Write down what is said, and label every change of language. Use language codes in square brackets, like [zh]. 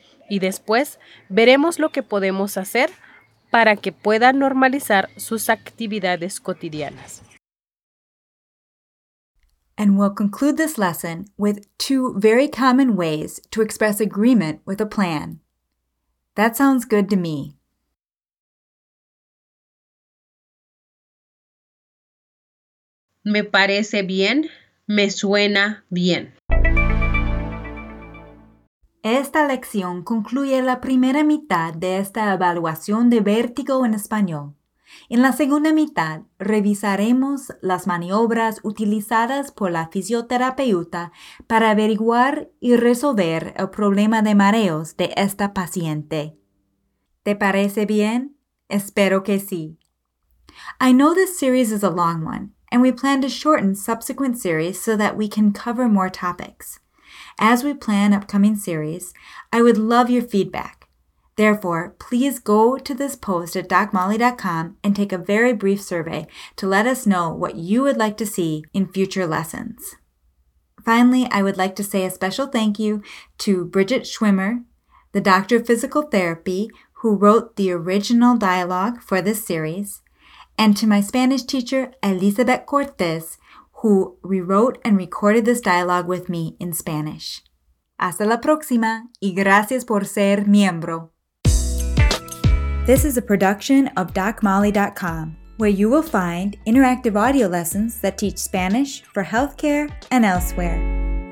[es] Y después veremos lo que podemos hacer para que pueda normalizar sus actividades cotidianas. [en] And we'll conclude this lesson with two very common ways to express agreement with a plan. That sounds good to me. [es] Me parece bien, me suena bien. Esta lección concluye la primera mitad de esta evaluación de vértigo en español. En la segunda mitad, revisaremos las maniobras utilizadas por la fisioterapeuta para averiguar y resolver el problema de mareos de esta paciente. ¿Te parece bien? Espero que sí. [en] I know this series is a long one, and we plan to shorten subsequent series so that we can cover more topics. As we plan upcoming series, I would love your feedback. Therefore, please go to this post at DocMolly.com and take a very brief survey to let us know what you would like to see in future lessons. Finally, I would like to say a special thank you to Bridget Schwimmer, the doctor of physical therapy who wrote the original dialogue for this series, and to my Spanish teacher, Elizabeth Cortez, who rewrote and recorded this dialogue with me in Spanish. [es] Hasta la próxima y gracias por ser miembro. [en] This is a production of DocMolly.com, where you will find interactive audio lessons that teach Spanish for healthcare and elsewhere.